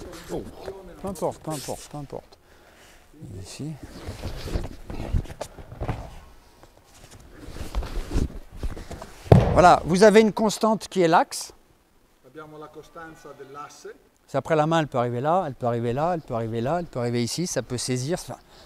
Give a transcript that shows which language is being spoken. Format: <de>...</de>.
<fr>Oh. Peu importe. Ici. Voilà, vous avez une constante qui est l'axe.</fr> <it>Abbiamo la costanza dell'asse.</it> <fr>C'est après la main, elle peut arriver là, elle peut arriver là, elle peut arriver là, elle peut arriver ici, ça peut saisir. Ça.</fr>